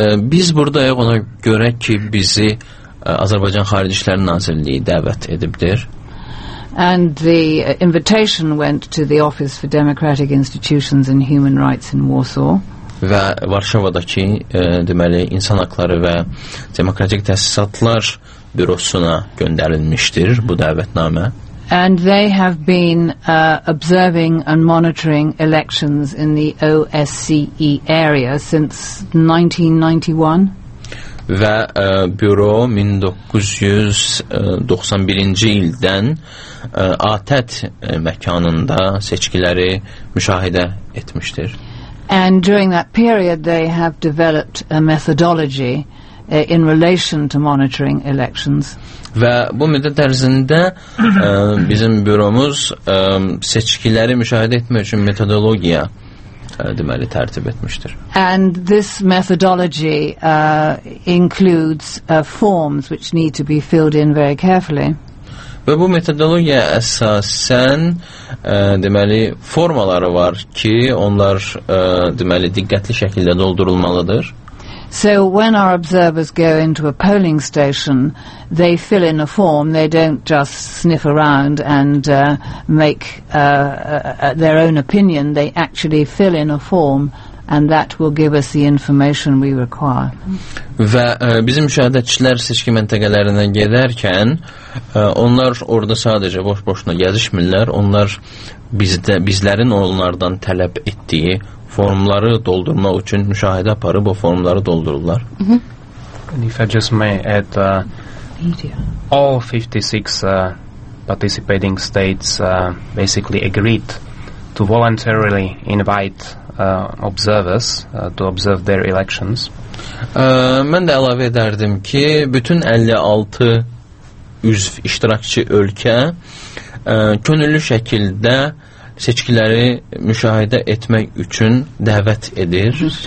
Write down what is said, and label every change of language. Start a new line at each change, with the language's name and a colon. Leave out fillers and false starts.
Azerbaijani: Biz buradayıq ona görə ki, bizi Azərbaycan Xarici İşlər Nazirliyi dəvət edibdir.
English: And the invitation went to the Office for Democratic Institutions and Human Rights in Warsaw.
Azerbaijani: Və Varşavadakı, deməli, insan haqları və demokratik təsisatlar bürosuna göndərilmişdir bu dəvətnamə.
English: And they have been observing and monitoring elections in the OSCE area since 1991.
Azerbaijani: Və büro 1991-ci ildən ATƏT məkanında seçkiləri müşahidə etmişdir.
English: And during that period they have developed a methodology in relation to monitoring elections.
Azerbaijani: Və bu müddət ərzində bizim büromuz seçkiləri müşahidə etmək üçün metodologiya deməli tərtib etmişdir.
English: And this methodology includes forms which need to be filled in very carefully.
Azerbaijani: Və bu metodologiya əsasən deməli formaları var ki, onlar deməli diqqətli şəkildə doldurulmalıdır.
English: So when our observers go into a polling station, they fill in a form. They don't just sniff around and make their own opinion. They actually fill in a form, and that will give us the information we require.
Azerbaijani: Və bizim müşahidəçilər seçki məntəqələrinə gedərkən, onlar orada sadəcə boş-boşuna gəzişmirlər. Onlar bizlərin onlardan tələb etdiyi formları doldurmaq üçün müşahidə aparıb o formları doldururlar.
English: And if I just may add, all 56 participating states basically agreed to voluntarily invite observers to observe their elections.
Azerbaijani: Mən də əlavə edərdim ki, bütün 56 üzv iştirakçı ölkə könüllü şəkildə seçkiləri müşahidə etmək üçün dəvət edir.